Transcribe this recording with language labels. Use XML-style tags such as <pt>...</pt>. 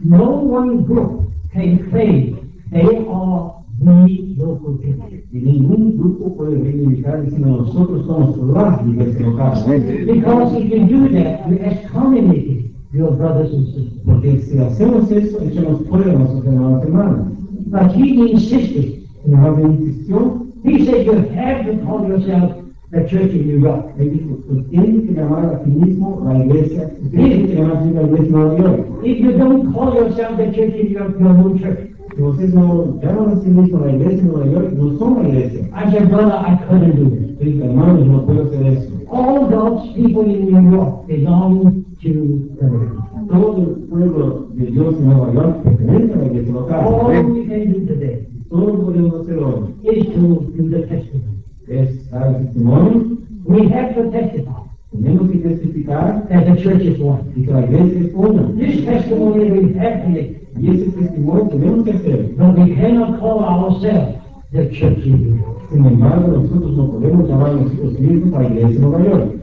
<en>No one group can claim they are the local church.</en> <es>Y ningún grupo puede reivindicar diciendo nosotros somos la iglesia local.</es> <en>Because if you do that, you excommunicate your brothers and sisters.</en> <es>Porque si hacemos eso, echamos fuera a nuestros hermanos y hermanas.</es> <en>But he insisted.</en> <es>Y no me insistió.</es> <en>He said, you have to call yourself the church in New York.</en> <es>Él dijo, tú tienes que llamar a ti mismo la iglesia. Tú tienes que llamar a ti la iglesia de Nueva York.</es> <en>If you don't call yourself the church in New York, you're no church.</en> <es>Si ustedes no llaman a sí mismo la iglesia de Nueva York, no son la iglesia.</es> <en>I said, brother, I couldn't do it.</en> <es>Y dije, hermano, no puedo hacer eso.</es> <en>All God's people in New York belong to the church.</en> <es>Todo el pueblo de Dios en Nueva York pertenece a la iglesia local.</es> <en>All we can do today,</en> <es>todo lo podemos hacer hoy,</es> <en>is to do the testimony.</en> <es>Es dar testimonio.</es> <en>We have to testify.</en> <es>Tenemos que testificar</es> <en>that the church is one.</en> <es>Y que la iglesia es una.</es> <en>This testimony we have to make.</en> <es>Y ese testimonio tenemos que hacer.</es> <en>But we cannot call ourselves the church in New York.</en> <es>Sin embargo, nosotros no podemos llamar a nosotros mismos a la iglesia de Nueva York.</es>